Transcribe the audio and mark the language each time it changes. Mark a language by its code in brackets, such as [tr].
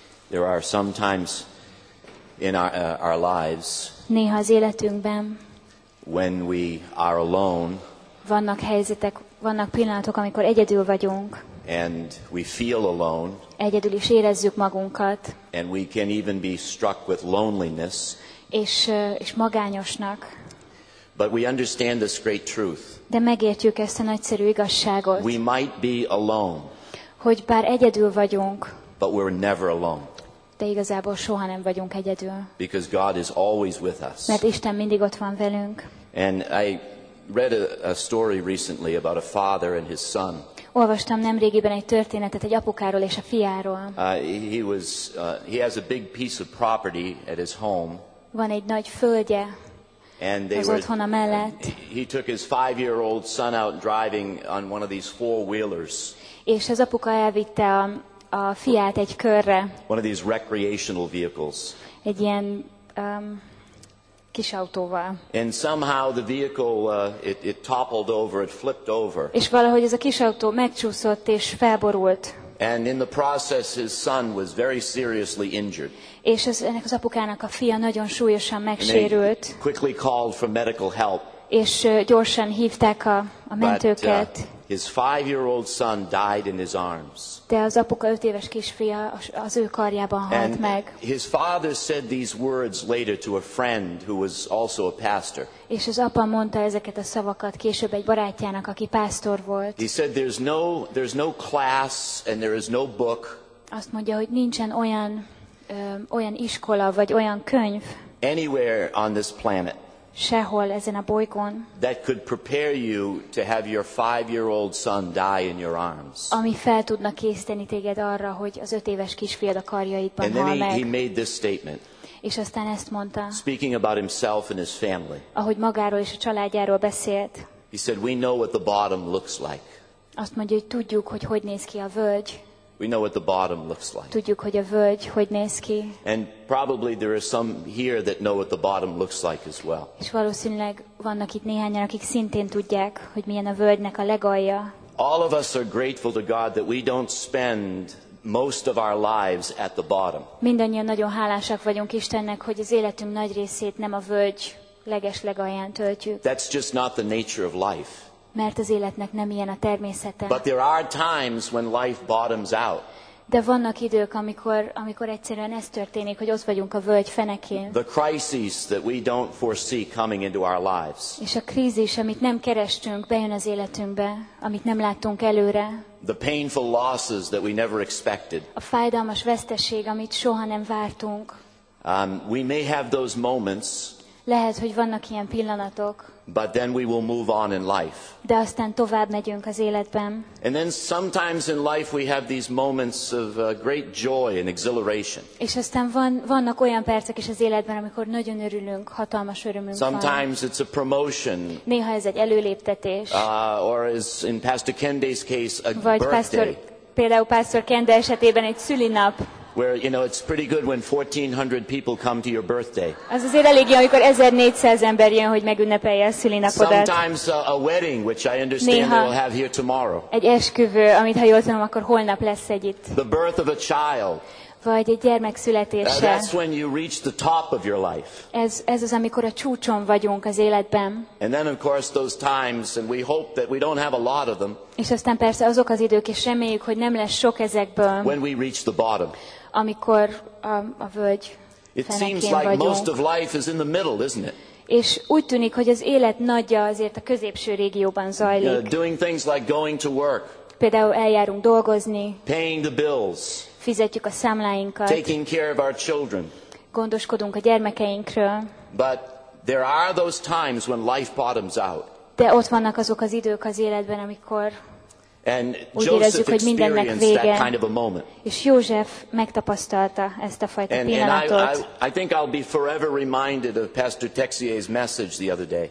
[en] There are sometimes in our lives. [hu] Néha az életünkben. [en] When we are alone. [hu] Vannak helyzetek, vannak pillanatok, amikor egyedül vagyunk. [en] And we feel alone. [hu] Egyedül is érezzük magunkat. [en] And we can even be struck with loneliness. [hu] És magányosnak. [en] But we understand this great truth. [hu] De megértjük ezt a nagyszerű igazságot. [en] We might be alone. [hu] Hogy bár egyedül vagyunk. [en] But we're never alone. [hu] De igazából soha nem vagyunk egyedül. [en] Because God is always with us. [hu] Mert Isten mindig ott van velünk. [en] And I read a story recently about a father and his son. [hu] Olvastam nemrégiben egy történetet egy apukáról és a fiáról. [en] He has a big piece of property at his home. [hu] Van egy nagy földje az otthona mellett. [en] He took his 5-year-old son out driving on one of these 4-wheelers. [hu] És az apuka elvitte a fiát egy körre. [en] One of these recreational vehicles. [hu] Egy ilyen kis autóval. [en] And somehow the vehicle it toppled over, it flipped over. [hu] És valahogy ez a kis autó megcsúszott és felborult. [en] And in the process his son was very seriously injured. [hu] És ennek az apukának a fia nagyon súlyosan megsérült. [en] And they quickly called for medical help. [hu] És gyorsan hívták a mentőket. [en] His 5-year-old son died in his arms. [hu] De az apuka 5 éves kisfia az ő karjában halt meg. [en] And his father said these words later to a friend who was also a pastor. [hu] És az apa mondta ezeket a szavakat később egy barátjának, aki pásztor volt. [en] He said there's no class and there is no book. [hu] Azt mondja, hogy nincsen olyan iskola vagy olyan könyv [en] anywhere on this planet. [hu] sehol ezen a bolygón, [en] that could prepare you to have your 5-year-old son die in your arms. [hu] Ami fel tudna készíteni téged arra, hogy az 5 éves kisfiad a karjaidban hal meg. [en] And then he made this statement. [hu] És aztán ezt mondta. [en] Speaking about himself and his family. [hu] Ahogy magáról és a családjáról beszélt. [en] He said, "We know what the bottom looks like." [hu] Azt mondja, hogy tudjuk, hogy hogy néz ki a völgy. [en] We know what the bottom looks like. [hu] Tudjuk, hogy a völgy hogy néz ki. [en] And probably there are some here that know what the bottom looks like as well. [hu] És valószínűleg vannak itt néhányan, akik szintén tudják, hogy milyen a völgynek a legalja. [en] All of us are grateful to God that we don't spend most of our lives at the bottom. [hu] Mindannyian nagyon hálásak vagyunk Istennek, hogy az életünk nagy részét nem a völgy leges legalján töltjük. [en] That's just not the nature of life. [hu] Mert az életnek nem ilyen a természete. [en] But there are times when life bottoms out. [hu] De vannak idők, amikor egyszerűen ez történik, hogy ott vagyunk a völgy fenekén. [en] The crises that we don't foresee coming into our lives. [hu] És a krízis, amit nem kerestünk, bejön az életünkbe, amit nem láttunk előre. [en] The painful losses that we never expected. [hu] A fájdalmas veszteség, amit soha nem vártunk. [en] We may have those moments. [hu] Lehet, hogy vannak ilyen pillanatok. [en] But then we will move on in life. [hu] De aztán tovább megyünk az életben. [en] And then sometimes in life we have these moments of great joy and exhilaration. [hu] És aztán vannak olyan percek is az életben, amikor nagyon örülünk, hatalmas örömünk van. [en] Sometimes it's a promotion. [hu] Néha ez egy előléptetés. [en] Or as in Pastor Kende's case, a [hu] vagy [en] birthday. [hu] Például Pastor Kende esetében egy szülinap. [en] Where you know it's pretty good when 1400 people come to your birthday. [hu] Az azért elég jó, amikor 1400 ember jön, hogy megünnepelje a szülinapodat. [en] Sometimes a wedding, which I understand they will have here tomorrow. [hu] Egy esküvő, amit ha jól tudom, akkor holnap lesz egy itt. [en] The birth of a child. [hu] Vagy egy gyermek születése. [en] That's when you reach the top of your life. [hu] Ez az, amikor a csúcson vagyunk az életben. [en] And then of course those times, and we hope that we don't have a lot of them. [hu] És aztán persze azok az idők, és reméljük, hogy nem lesz sok ezekből. [en] When we reach the bottom. [hu] Amikor a völgy fenekén [en] It seems like [hu] vagyunk. [en] Most of life is in the middle, isn't it? [hu] És úgy tűnik, hogy az élet nagyja azért a középső régióban zajlik. [en] Doing things like going to work. [hu] Például eljárunk dolgozni. [en] Paying the bills. [hu] Fizetjük a számláinkat. [en] Taking care of our children. [hu] Gondoskodunk a gyermekeinkről. [en] But there are those times when life bottoms out. [hu] De ott vannak azok az idők az életben, amikor [en] And [hu] úgy érezzük, hogy mindennek vége. [en] Kind of a moment. [hu] És József megtapasztalta ezt a fajta pillanatot. [en] I think I'll be forever reminded of Pastor Texier's message the other day.